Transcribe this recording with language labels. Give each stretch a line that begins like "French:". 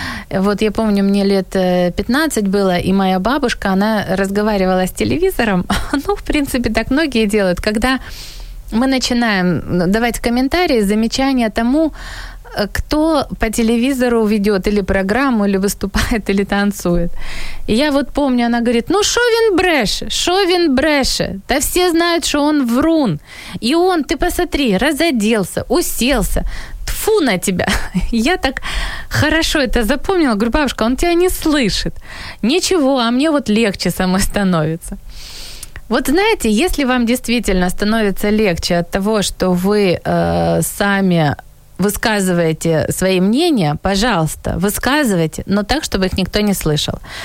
Russian: Вот я помню, мне лет 15 было, и моя бабушка, она разговаривала с телевизором. Ну, в принципе, так многие делают. Когда мы начинаем давать комментарии, замечания тому, кто по телевизору ведет или программу, или выступает, или танцует. И я вот помню, она говорит, ну
Ukrainian: шо він бреше, шо він бреше?
Russian: Да все знают, что он врун. И он, ты посмотри, разоделся, уселся. Тфу на тебя. Я так хорошо это запомнила. Говорю, бабушка, он тебя не слышит. Ничего, а мне вот легче самой становится. Вот знаете, если вам действительно становится легче от того, что вы сами высказываете свои мнения, пожалуйста, высказывайте, но так, чтобы их никто не слышал.